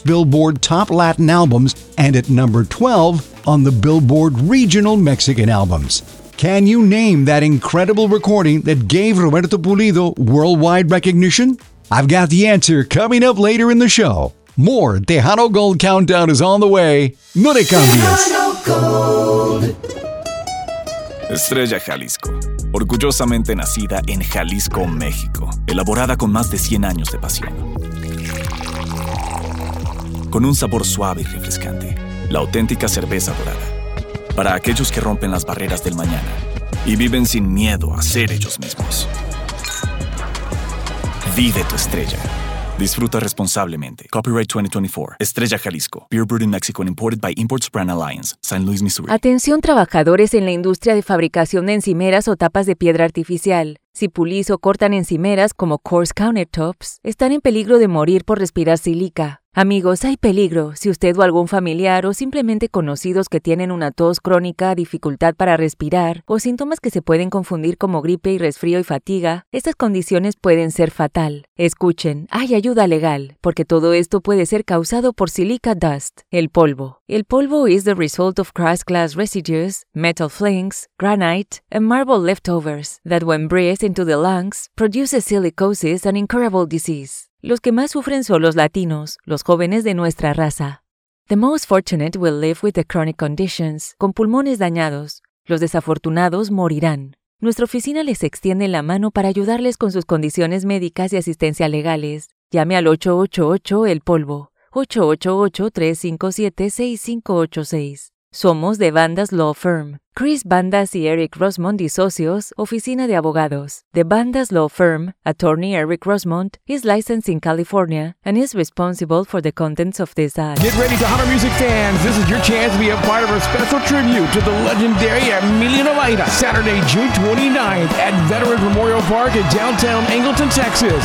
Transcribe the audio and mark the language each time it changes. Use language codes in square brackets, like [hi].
[en] Billboard Top Latin Albums and at number 12 on the Billboard Regional Mexican Albums. Can you name that incredible recording that gave Roberto Pulido worldwide recognition? I've got the answer coming up later in the show. More Tejano Gold Countdown is on the way. [es] No te cambies. Estrella Jalisco, orgullosamente nacida en Jalisco, México, elaborada con más de 100 años de pasión. Con un sabor suave y refrescante, la auténtica cerveza dorada. Para aquellos que rompen las barreras del mañana y viven sin miedo a ser ellos mismos. Vive tu estrella. Disfruta responsablemente. Copyright 2024. Estrella Jalisco. [en] Beer brewed in Mexico and imported by Imports Brand Alliance. San Luis, Missouri. [es] Atención, trabajadores en la industria de fabricación de encimeras o tapas de piedra artificial. Si pulís o cortan encimeras como coarse countertops, están en peligro de morir por respirar sílica. Amigos, hay peligro. Si usted o algún familiar o simplemente conocidos que tienen una tos crónica, dificultad para respirar o síntomas que se pueden confundir como gripe y resfrío y fatiga, estas condiciones pueden ser fatal. Escuchen, hay ayuda legal, porque todo esto puede ser causado por silica dust, el polvo. [en] El polvo is the result of crushed glass residues, metal flakes, granite, and marble leftovers that when breathed into the lungs, produces silicosis and incurable disease. [es] Los que más sufren son los latinos, los jóvenes de nuestra raza. [en] The most fortunate will live with the chronic conditions, [es] con pulmones dañados. Los desafortunados morirán. Nuestra oficina les extiende la mano para ayudarles con sus condiciones médicas y asistencia legales. Llame al 888-EL-POLVO, 888-357-6586. Somos de Bandas Law Firm. Chris Bandas y Eric Rosmond y socios, oficina de abogados. [en] The Bandas Law Firm, attorney Eric Rosmond, is licensed in California and is responsible for the contents of this ad. Get ready, Tejano music fans. This is your chance to be a part of a special tribute to the legendary Emilio Navaira. Saturday, June 29th at Veterans Memorial Park in downtown Angleton, Texas.